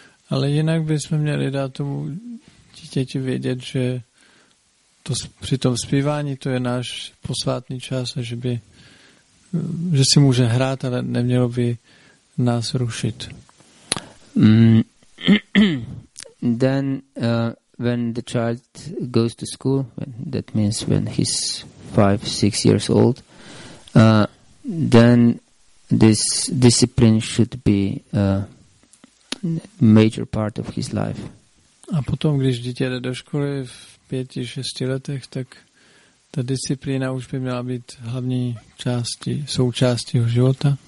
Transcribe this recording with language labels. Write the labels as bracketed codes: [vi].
[cs] Ale jinak bychom měli dát tomu dítěti vědět, že to při tom zpívání to je náš posvátný čas a že si může hrát, ale nemělo by nás rušit. [en] Then when the child goes to school, that means when he's 5-6 years old, then this discipline should be a major part of his life. [cs] A potom, když dítě jde do školy v 5-6 letech, tak ta disciplína už by měla být hlavní části, součástí jeho života.